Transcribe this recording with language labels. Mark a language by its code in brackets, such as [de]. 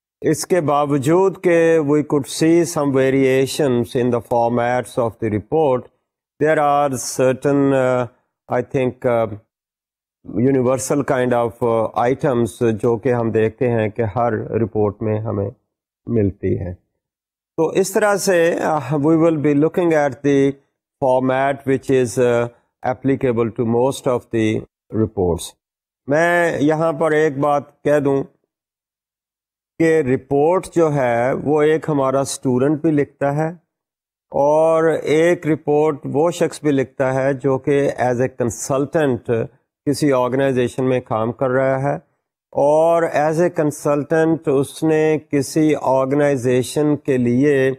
[ur] اس کے باوجود کہ [en] we could see some variations in the formats of the report, there are certain I think universal kind of items [ur] جو کہ ہم دیکھتے ہیں کہ ہر رپورٹ میں ہمیں ملتی ہے. تو اس طرح سے [en] We will be looking at the format which is applicable to most of the reports. [ur] میں یہاں پر ایک بات کہہ دوں کہ رپورٹ جو ہے وہ ایک ہمارا اسٹوڈنٹ بھی لکھتا ہے اور ایک رپورٹ وہ شخص بھی لکھتا ہے جو کہ [en] as a consultant [ur] کسی آرگنائزیشن میں کام کر رہا ہے، اور ایز اے کنسلٹنٹ اس نے کسی آرگنائزیشن کے لیے